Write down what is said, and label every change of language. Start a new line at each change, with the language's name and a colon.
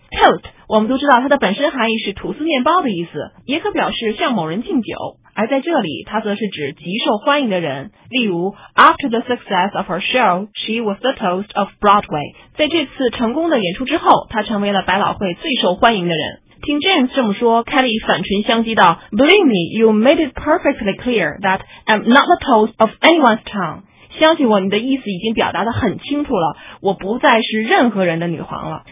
Chinese: Toast 我们都知道它的本身含义是吐司面包的意思，也可表示向某人敬酒，而在这里它则是指极受欢迎的人。例如
English: After the success of her show, she was the toast of Broadway.
Chinese: 在这次成功的演出之后，她成为了百老汇最受欢迎的人。听
English: James
Chinese: 这么说，
English: Kelly
Chinese: 反唇相讥道
English: Believe me, you made it perfectly clear that I'm not the toast of anyone's tongue.
Chinese: 相信我，你的意思已经表达得很清楚了，我不再是任何人的女皇了。